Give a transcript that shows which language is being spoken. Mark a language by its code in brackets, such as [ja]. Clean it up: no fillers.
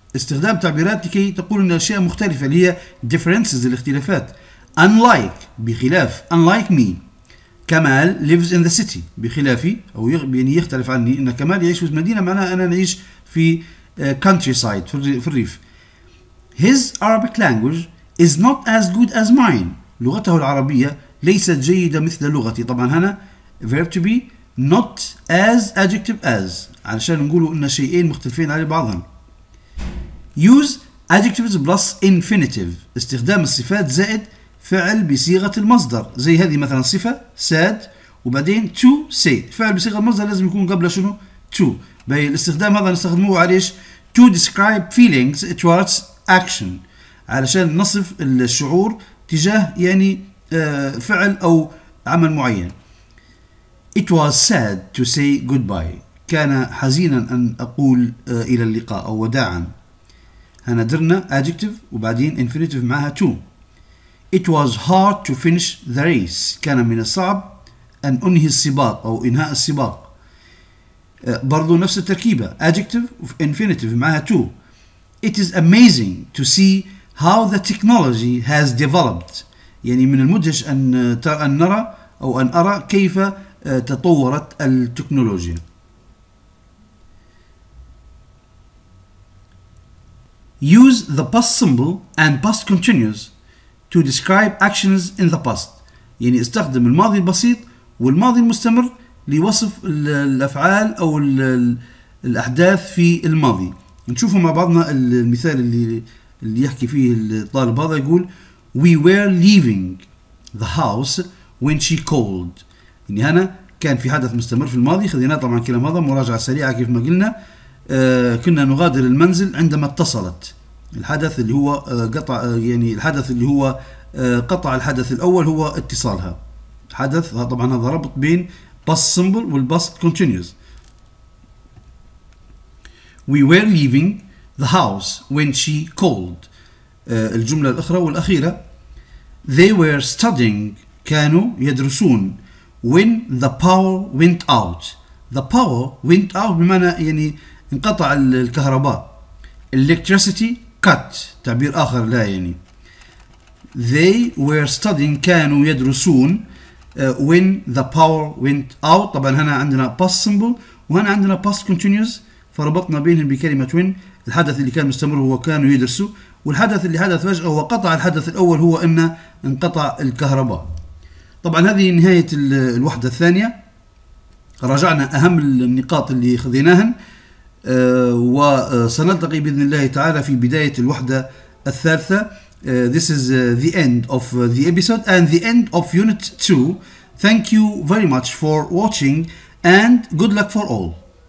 [ar] استخدام تعبيرات لكي تقول أن الأشياء مختلفة، اللي هي differences الاختلافات. [en] Unlike [ar] بخلاف. [en] Unlike me. [ar] كمال [en] lives in the city [ar] بخلافي، أو يعني يختلف عني أن كمال يعيش في مدينة، معناه أنا نعيش في countryside في الريف. [en] His Arabic language is not as good as mine. [ar] لغته العربية ليست جيدة مثل لغتي. طبعا هنا [en] verb to be not as adjective as، [ar] علشان نقوله أن شيئين مختلفين على بعضهم. [en] Use adjectives plus infinitive. [ar] استخدام الصفات زائد فعل بصيغة المصدر، زي هذه مثلا صفة sad وبعدين to say. فعل بصيغة المصدر لازم يكون قبل شنو؟ to. بهي الاستخدام هذا نستخدمه علش [en] to describe feelings towards action، [ar] علشان نصف الشعور تجاه يعني فعل أو عمل معين. [en] It was sad to say goodbye. [ar] كان حزينا أن أقول إلى اللقاء أو وداعا. هنا درنا [en] adjective [ar] وبعدين [en] infinitive [ar] معها [en] to. It was hard to finish the race. [ar] كان من الصعب أن أنهي السباق أو إنهاء السباق. برضو نفس التركيبة. [en] Adjective of infinitive [ar] معها to. [en] It is amazing to see how the technology has developed. [ar] يعني من المدهش أن نرى أو أن أرى كيف تطورت التكنولوجيا. [en] Use the past symbol and past continuous to describe actions in the past. [ar] يعني استخدم الماضي البسيط والماضي المستمر لوصف الأفعال أو الأحداث في الماضي. نشوفه مع بعضنا المثال اللي يحكي فيه الطالب هذا. يقول [en] We were leaving the house when she called. [ar] يعني هنا كان في حدث مستمر في الماضي، خذينا طبعا كلام هذا مراجعة سريعة كيف ما قلنا. كنا نغادر المنزل عندما اتصلت. الحدث اللي هو قطع، يعني الحدث اللي هو قطع الحدث الأول هو اتصالها. حدث طبعا هذا ربط بين past simple والpast continuous. [en] We were leaving the house when she called. [ar] الجملة الأخرى والأخيرة. [en] They were studying. [ar] كانوا يدرسون. [en] When the power went out. The power went out [ar] بمعنى يعني انقطع الكهرباء. [en] Electricity cut [ar] تعبير آخر لا يعني. [en] They were studying [ar] كانوا يدرسون [en] when the power went out. [ar] طبعا هنا عندنا past simple وهنا عندنا past continuous، فربطنا بينهم بكلمة when. الحدث اللي كان مستمر هو كانوا يدرسوا، والحدث اللي حدث فجأة هو قطع الحدث الأول هو أن انقطع الكهرباء. طبعا هذه نهاية الوحدة الثانية، راجعنا أهم النقاط اللي خذيناهن، وسنلتقي بإذن الله تعالى في بداية الوحدة الثالثة. [en] This is the end of the episode and the end of unit 2. Thank you very much for watching and good luck for all.